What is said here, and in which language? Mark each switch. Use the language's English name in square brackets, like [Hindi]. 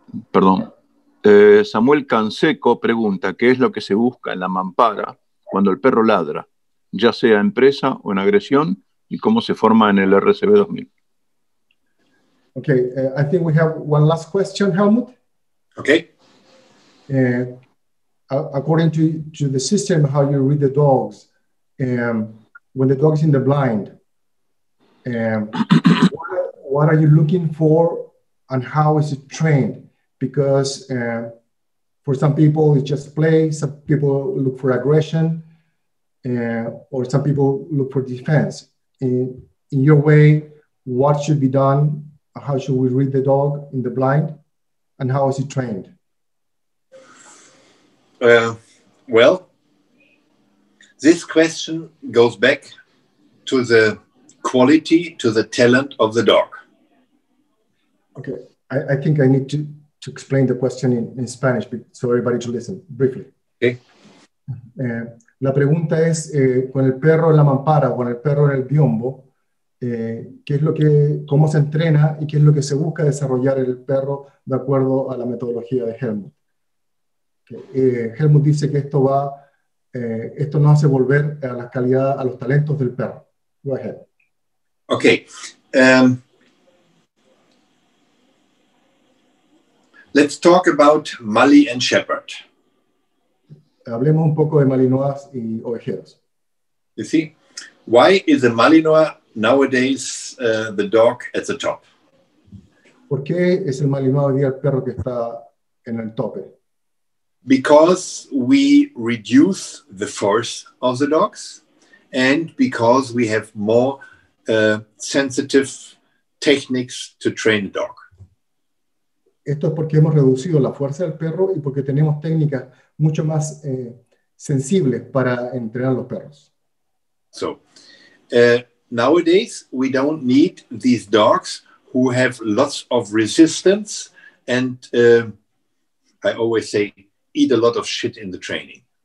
[Spanish] Perdón. Samuel Canseco pregunta, ¿qué es lo que se busca en la mampara cuando el perro ladra, ya sea en presa o en agresión, y cómo se forma en el RCB 2000? [English] Okay, I think we have one last question, Helmut. Okay. According to the system, how you read the dogs, when the dog is in the blind, what are you looking for and how is it trained? Because for some people, it's just play. Some people look for aggression, or some people look for defense. In your way, what should be done? How should we read the dog in the blind? And how is it trained? Well, this question goes back to the quality, to the talent of the dog. Okay, I think I need to explain the question in Spanish, so everybody to listen, briefly. Okay. [Spanish] La pregunta es, con el perro en la mampara, con el perro en el biombo, ¿qué es lo que, cómo se entrena y qué es lo que se busca desarrollar el perro de acuerdo a la metodología de Helmut? Helmut dice que esto va, esto nos hace volver a la calidad, a los talentos del perro. [English] Go ahead. Okay. Let's talk about Mali and Shepherd. [Spanish] Hablemos un poco de Malinois y ovejeros. [English] You see, why is the Malinois nowadays the dog at the top? [Spanish] ¿Por qué es el Malinois el perro que está en el tope? [English] Because we reduce the force of the dogs and because we have more sensitive techniques to train the dog. [Spanish] Esto es porque hemos reducido la fuerza del perro y porque tenemos técnicas mucho más sensibles para entrenar los perros. [English] So, nowadays we don't need these dogs who have lots of resistance and I always say eat a lot of shit in the training.